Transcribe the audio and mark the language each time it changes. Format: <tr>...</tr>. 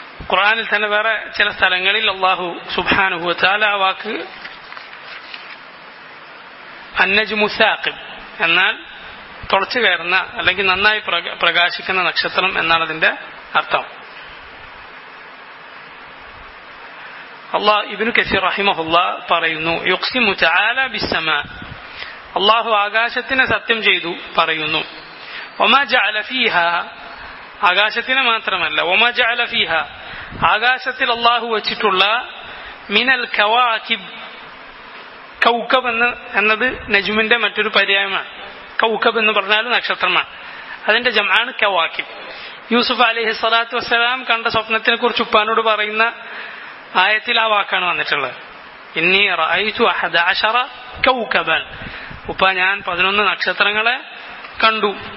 <ml>ഖുർആനിൽ തന്നെ വേറെ ചില സ്ഥലങ്ങളിൽ അള്ളാഹു സുബ്ഹാനഹു വതആല ആ വാക്ക് അന്നജ്മു സാഖിബ് എന്നാൽ തുളച്ചു കയറുന്ന അല്ലെങ്കിൽ നന്നായി പ്രകാശിക്കുന്ന നക്ഷത്രം എന്നാണ് അതിന്റെ അർത്ഥം.</ml> <ar>الله ابن كثير رحمه الله പറയുന്നു, يقسم تعالى بالسماء, الله</ar> <ml>ആകാശത്തിനെ സത്യം ചെയ്തു പറയുന്നു.</ml> <ar>وما جعل فيها,</ar> <ml>ആകാശത്തിനെ മാത്രമല്ല,</ml> <ar>وما جعل فيها,</ar> <ml>ആകാശത്തിൽ</ml> <ar>الله</ar> <ml>വെച്ചിട്ടുള്ള,</ml> <ar>من الكواكب,</ar> <ml>കൗക്കബ് എന്നത് നജ്മിന്റെ മറ്റൊരു പര്യായമാണ്. കൗക്കബ് എന്ന് പറഞ്ഞാൽ നക്ഷത്രമാണ്, അതിന്റെ ജമാണ് കവാക്കിബ്. യൂസുഫ് അലൈഹി സ്വലാത്തു വസ്സലാം കണ്ട സ്വപ്നത്തിനെ കുറിച്ച് ഉപ്പാനോട് പറയുന്ന ആയത്തിൽ ആ വാക്കാണ് വന്നിട്ടുള്ളത്.</ml> <ar>ഇന്നി റഅയ്തു അഹദ അശറ കൗകബൻ,</ar> <ml>ഉപ്പ ഞാൻ 11 നക്ഷത്രങ്ങളെ കണ്ടു.</ml>